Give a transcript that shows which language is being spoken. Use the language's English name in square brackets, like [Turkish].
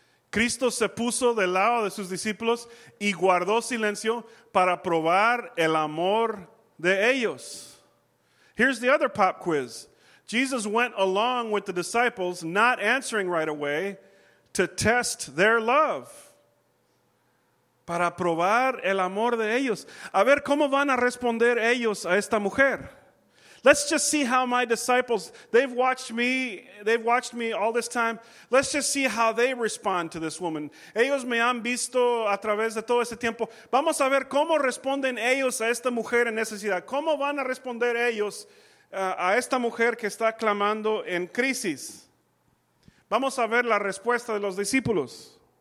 [Spanish] Cristo se puso del lado de sus discípulos y guardó silencio para probar el amor de ellos. [English] Here's the other pop quiz. Jesus went along with the disciples, not answering right away, to test their love. [Spanish] Para probar el amor de ellos. A ver, ¿cómo van a responder ellos a esta mujer? [English] Let's just see how my disciples, they've watched me all this time. Let's just see how they respond to this woman. [Spanish] Ellos me han visto a través de todo ese tiempo. Vamos a ver cómo responden ellos a esta mujer en necesidad. ¿Cómo van a responder ellos a esta mujer que está clamando en crisis? Vamos a ver la respuesta de los discípulos.